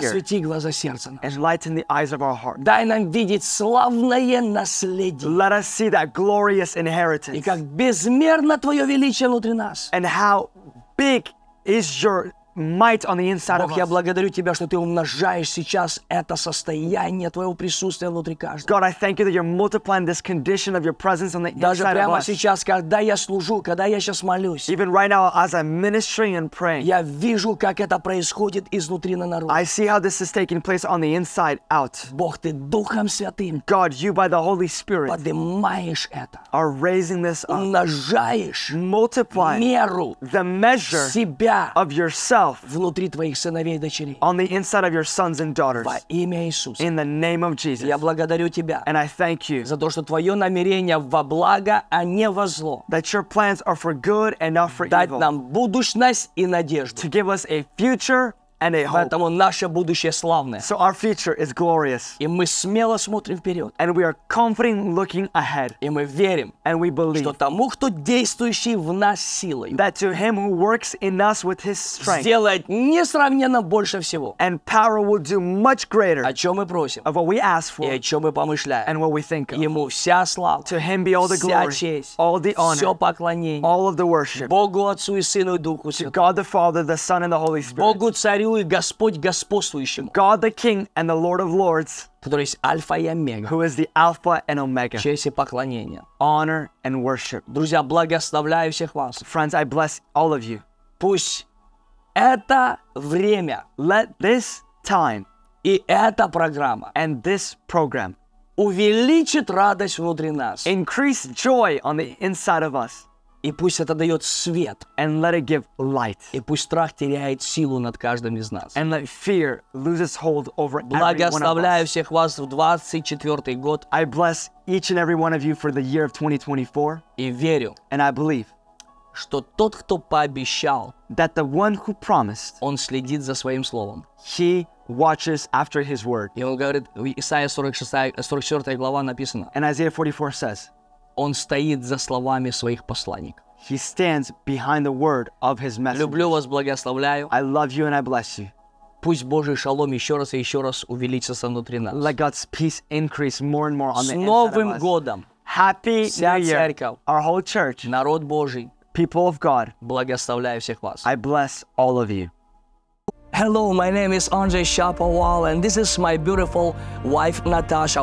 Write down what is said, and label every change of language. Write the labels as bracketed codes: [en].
[ru] Просвети глаза сердца наши. [en] And lighten the eyes of our heart. [ru] Дай нам видеть славное наследие. [en] Let us see that glorious inheritance. [ru] И как безмерно мерно твое величие внутри нас. [en] And how big is your might on the inside of us. [ru] Бог, я благодарю тебя, что ты умножаешь сейчас это состояние твоего присутствия внутри каждого. [en] God, I thank you that you're multiplying this condition of your presence on the inside of us. [ru] Даже прямо сейчас, когда я служу, когда я сейчас молюсь. [en] Even right now, as I'm ministering and praying. [ru] Я вижу, как это происходит изнутри на наружу. [en] I see how this is taking place on the inside out. [ru] Бог, ты Духом Святым. [en] God, you by the Holy Spirit. [ru] Поднимаешь это. [en] Are raising this up. [ru] Умножаешь. [en] Multiply. [ru] Меру. [en] The measure. [ru] Себя. [en] Of yourself. [ru] Внутри твоих сыновей и дочерей. [en] On the inside of your sons and daughters. [ru] Во имя Иисуса. [en] In the name of Jesus. [ru] Я благодарю тебя. [en] And I thank you. [ru] За то, что твое намерение во благо, а не во зло. [en] That your plans are for good and not for evil. [ru] Дать нам будущность и надежду. [en] To give us a future and a hope. [ru] Поэтому наше будущее славное. [en] So our future is glorious. [ru] И мы смело смотрим вперед. [en] And we are confident looking ahead. [ru] И мы верим. [en] And we believe. [ru] Что тому, кто действующий в нас силой. [en] That to him who works in us with his strength. [ru] Сделает несравненно больше всего. [en] And power will do much greater. [ru] О чем мы просим. [en] Of what we ask for. [ru] И о чем мы помышляем. [en] And what we think of. [ru] Ему вся слава. [en] To him be all the glory. [ru] Вся честь. [en] All the honor. [ru] Все поклонение. [en] All of the worship. [ru] Богу Отцу и Сыну и Духу Святому. [en] To God the Father, the Son and the Holy Spirit. [ru] Богу Царю и Господь господствующему. [en] God the King and the Lord of Lords, [ru] который есть Альфа и Омега, [en] who is the Alpha and Omega, [ru] честь и поклонение, [en] honor and worship. [ru] Друзья, благословляю всех вас. [en] Friends, I bless all of you. [ru] Пусть это время, [en] let this time, [ru] и эта программа, [en] and this program, [ru] увеличит радость внутри нас, [en] increase joy on the inside of us. [ru] И пусть это дает свет. [en] And let it give light. [ru] И пусть страх теряет силу над каждым из нас. [en] And let fear loses hold over every one of us. [ru] Благословляю всех вас в 24-й год. [en] I bless each and every one of you for the year of 2024. [ru] И верю. [en] And I believe. [ru] Что тот, кто пообещал. [en] That the one who promised. [ru] Он следит за своим словом. [en] He watches after his word. [ru] И он говорит, в Исаия 44 глава написано. [en] And Isaiah 44 says. [ru] Он стоит за словами своих посланников. [en] He stands behind the word of his messenger. [ru] Люблю вас, благословляю. [en] I love you and I bless you. [ru] Пусть Божий шалом еще раз и еще раз увеличится внутри нас. [en] Let God's peace increase more and more on the inside of us. [ru] С Новым годом! [en] Happy New Year! [ru] Вся церковь! [en] Our whole church! [ru] Народ Божий! [en] People of God! [ru] Благословляю всех вас! [en] I bless all of you! Hello, my name is Andrey Shaповал, and this is my beautiful wife, Natasha.